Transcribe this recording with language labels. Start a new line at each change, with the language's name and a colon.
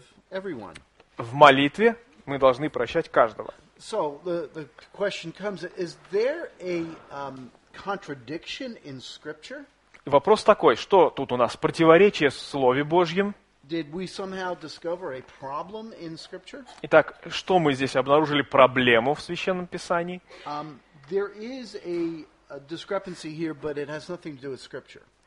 Russian: В молитве мы должны прощать каждого.
English: So, the question comes, is there a contradiction in Scripture?
Russian: Вопрос такой, что тут у нас, противоречие в Слове Божьем?
English: Did we somehow discover a problem in Scripture?
Russian: Итак, что мы здесь обнаружили проблему в Священном Писании?
English: There is a discrepancy here, but it has nothing to do with Scripture.